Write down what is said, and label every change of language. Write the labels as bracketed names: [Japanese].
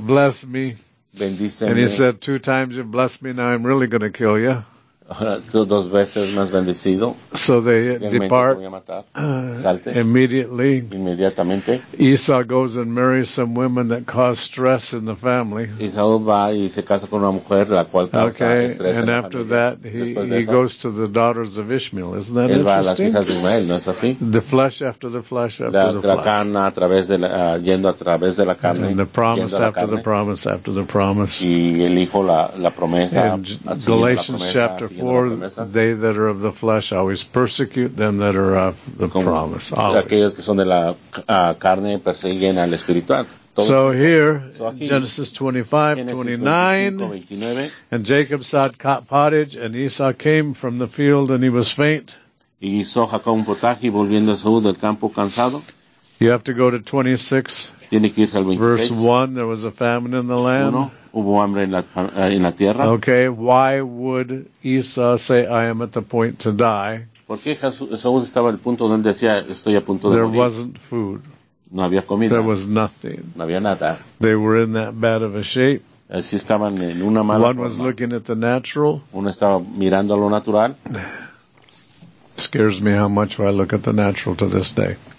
[English] Bless me. [Spanish] Bendíceme. [English] And he said, "Two times you bless me, now I'm really going to kill you." [Spanish] Dos veces más bendecido. [English] So they depart [Spanish] Salte. [English] Immediately. [Spanish] Inmediatamente. [English] Esau goes and marries some women that cause stress in the family. [Spanish] Esau va y se casa con una mujer la cual causa estrés. [English] And [Spanish] en [English] after [Spanish] la familia. [English] That he goes to the daughters of Ishmael. Isn't that interesting? [Spanish] Él va a las hijas de Ismael, ¿no es así? [English] The flesh after the flesh after the flesh. [Spanish] La carne a través de la yendo a través de la carne. [English] And the promise after the promise after the promise. [Spanish] Y el hijo la promesa. [English] Galatians chapter 4. For they that are of the flesh always persecute them that are of the promise. Always. [Spanish] Aquellos que son de la carne persiguen al espiritual. [English] So here, Genesis 25:29, and Jacob sought pottage, and Esau came from the field, and he was faint. [Spanish] Y hizo Jacob un potaje, volviendo Esaú del campo cansado. [English] You have to go to 26. [Spanish] Tiene que irse al 26. [English] Verse 1, there was a famine in the land. [Spanish] Hubo hambre en la tierra. [English] Okay, why would Esau say, "I am at the point to die"? [Spanish] ¿Por qué Esaú estaba al punto donde decía, "Estoy a punto de [English] there [Spanish] morir"? [English] There wasn't food. [Spanish] No había comida. [English] There was nothing. [Spanish] No había nada. [English] They were in that bad of a shape. [Spanish] Así estaban en una mala [English] One was [Spanish] forma. [English] Looking at the natural. [Spanish] Uno estaba mirando a lo natural. [English] It scares me how much I look at the natural to this day.